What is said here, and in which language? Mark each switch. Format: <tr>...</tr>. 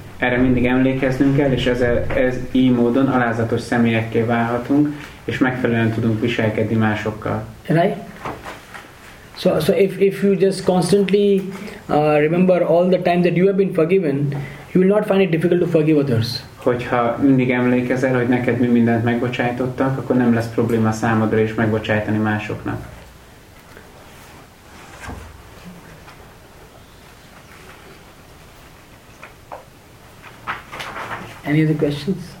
<hu>Erre mindig emlékeznünk kell, és ez így módon alázatos személyekké válhatunk, és megfelelően tudunk viselkedni másokkal.</hu> <en>Right? So if you just constantly remember all the time that you have been forgiven, you will not find it difficult to forgive others.</en> <hu>Hogyha mindig emlékezel, hogy neked mi mindent megbocsájtottak, akkor nem lesz probléma számodra is megbocsájtani másoknak.</hu> <en>Any other questions?</en>